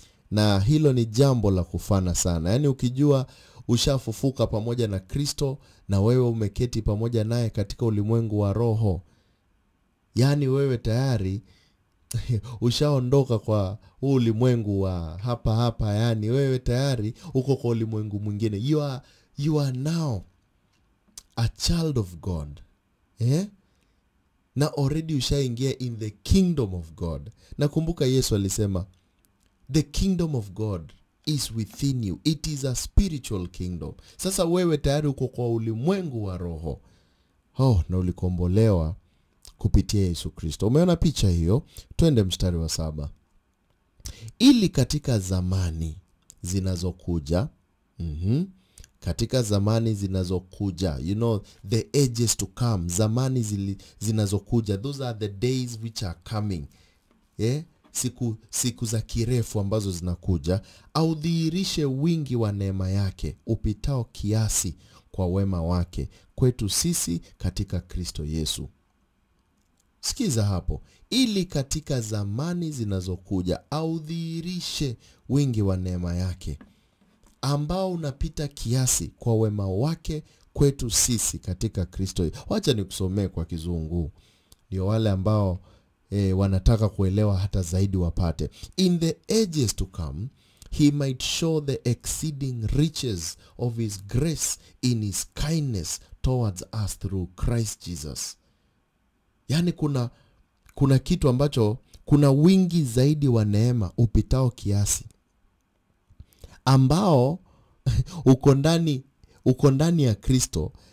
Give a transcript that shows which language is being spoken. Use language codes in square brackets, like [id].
[sw] Na hilo ni jambo la kufana sana. Yani ukijua ushafufuka pamoja na Kristo na wewe umeketi pamoja naye katika ulimwengu wa roho, yani wewe tayari ushaondoka kwa ulimwengu wa hapa hapa, yani wewe tayari uko kwa ulimwengu mwingine. [en] You are now a child of God, eh? Na already ushaingia in the kingdom of God. [sw] Na kumbuka Yesu alisema, [en] the kingdom of God is within you. It is a spiritual kingdom. [sw] Sasa wewe tayari uko kwa ulimwengu wa roho. Oh, na ulikombolewa kupitia Yesu Kristo. Umeona picha hiyo? Twende mstari wa saba. Ili katika zamani zinazokuja, katika zamani zinazokuja, [en] you know, the ages to come, [sw] zamani zinazokuja, [en] those are the days which are coming, yeah? [sw] Siku za kirefu ambazo zinakuja, audhihirishe wingi wa neema yake, upitao kiasi kwa wema wake, kwetu sisi katika Kristo Yesu. Sikiza hapo, ili katika zamani zinazokuja, audhihirishe wingi wa neema yake, ambao unapita kiasi kwa wema wake kwetu sisi katika Kristo. Wacha ni kusomee kwa kizungu. Ndio wale ambao wanataka kuelewa hata zaidi wapate. [en] In the ages to come, he might show the exceeding riches of his grace in his kindness towards us through Christ Jesus. [sw] Yani kuna kitu ambacho, kuna wingi zaidi wa neema upitao kiasi, ambao uko ndani ya Kristo.